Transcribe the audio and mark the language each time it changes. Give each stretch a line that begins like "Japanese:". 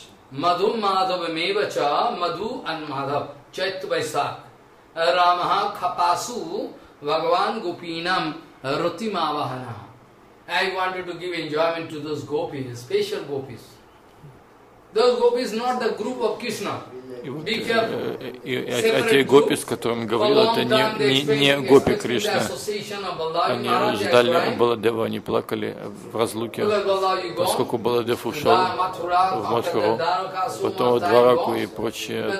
Sanskrit: Мадхум Мадхава Мевача Мадху Анмадхав Чайт Байсак Рамаха Хапасу Бхагаван Гупинам Рути Мавахана.
English: I wanted to give enjoyment to those gopis, special gopis. Those gopis not the group of Krishna. Be careful.
Russian: А те гопи, с которыми он говорил, это не гопи Кришна. Они ждали Баладева, они плакали в разлуке, поскольку Баладев ушел в Матхуру, потом в Двараку и прочее.